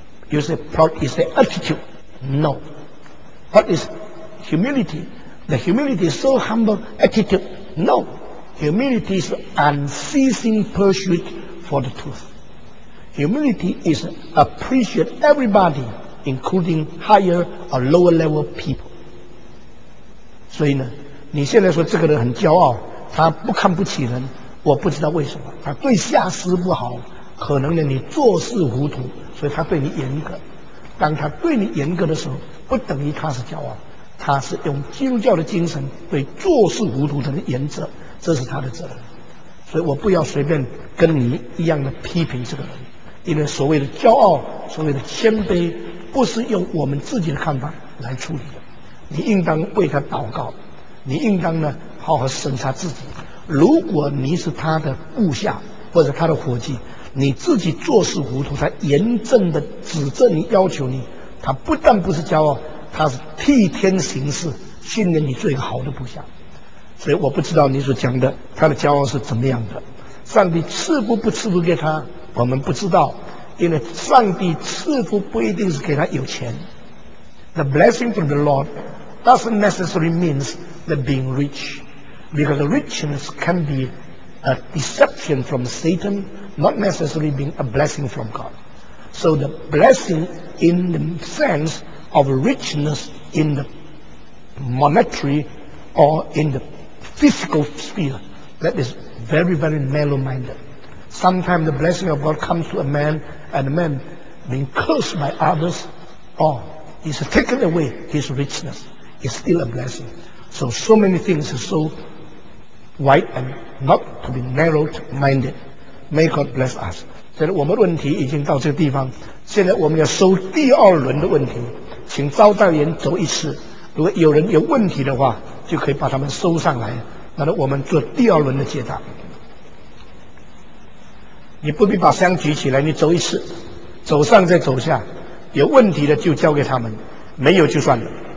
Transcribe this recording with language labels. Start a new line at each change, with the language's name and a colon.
English: You say proud is the attitude. No. What is humility? The humility is so humble attitude. No. Humility is unceasing pursuit for the truth. Humility is appreciate everybody, including higher or lower level people.
Chinese: 所以呢，你现在说这个人很骄傲，他不看不起人，我不知道为什么，他对下司不好，可能呢你做事糊涂，所以他对你严格。当他对你严格的时候，不等于他是骄傲，他是用基督教的精神对做事糊涂的人严责，这是他的责任。所以我不要随便跟你一样的批评这个人，因为所谓的骄傲、所谓的谦卑，不是用我们自己的看法来处理的。你应当为他祷告，你应当呢好好审查自己。如果你是他的部下或者他的伙计，你自己做事糊涂，他严正的指正你、要求你，他不但不是骄傲，他是替天行事，信任你最好的部下。所以我不知道你所讲的他的骄傲是怎么样的，上帝赐福不赐福给他我们不知道，因为上帝赐福不一定是给他有钱。
English: The blessing from the Lord doesn't necessarily means that being rich, because richness can be a deception from Satan, not necessarily being a blessing from God. So the blessing in the sense of richness in the monetary or in the physical sphere, that is very, very narrow-minded. Sometimes the blessing of God comes to a man, and a man being cursed by others, or he's taken away his richness, is still a blessing. So many things are so wide and not to be narrow-minded. May God bless us.
Chinese: 现在我们问题已经到这个地方，现在我们要收第二轮的问题，请招待员走一次，如果有人有问题的话，就可以把他们收上来，那我们做第二轮的解答。你不必把香举起来，你走一次，走上再走下，有问题的就交给他们，没有就算了。